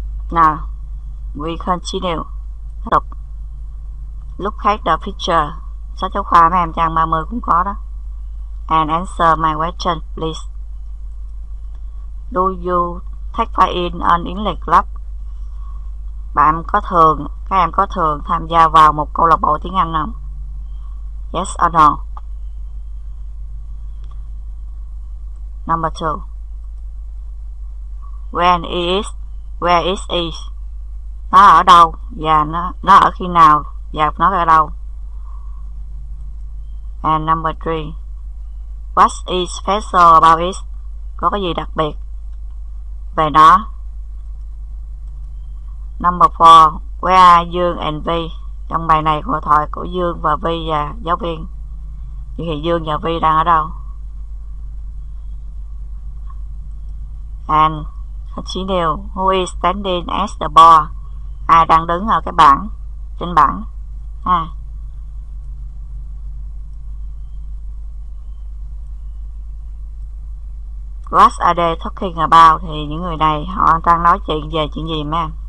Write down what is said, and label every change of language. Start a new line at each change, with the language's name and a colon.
English: Now, we continue. Look at the picture.
Vietnamese: Sách giáo khoa mấy em trang 30 cũng có đó.
English: And answer my question, please. Do you take part in an English club?
Vietnamese: Bạn có thường, các em có thường tham gia vào một câu lạc bộ tiếng Anh không?
English: Yes or no? Number two. When is, where is it?
Vietnamese: Nó ở đâu và nó ở khi nào và nó ở đâu?
English: And number three. What is special about it?
Vietnamese: Có cái gì đặc biệt về nó?
English: Number 4, where are Dương and Vi?
Vietnamese: Trong bài này hội thoại của Dương và Vi và giáo viên. Vậy thì Dương và Vi đang ở đâu?
English: And continue, who is standing at the bar?
Vietnamese: Ai đang đứng ở cái bảng, trên bảng? À.
English: What are they talking about?
Vietnamese: Thì những người này họ đang nói chuyện về chuyện gì mà?